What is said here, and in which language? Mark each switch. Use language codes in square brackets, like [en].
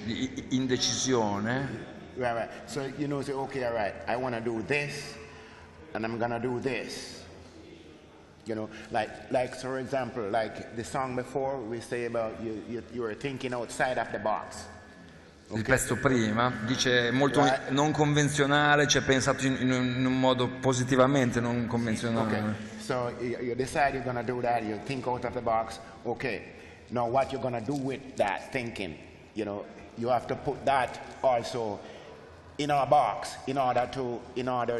[it] Di indecisione. [en] Right. So you know, say okay, all right. I want to do this, and I'm gonna do this. You know, like for example, like the song before we say about you were thinking outside of the box. [it] Okay. Il pezzo prima dice molto non convenzionale, cioè pensato in un modo positivamente non convenzionale. [en] Okay. So you decide you're gonna do that, you think out of the box, okay. Now what you're gonna do with that thinking, you know, you have to put that also in a box in order to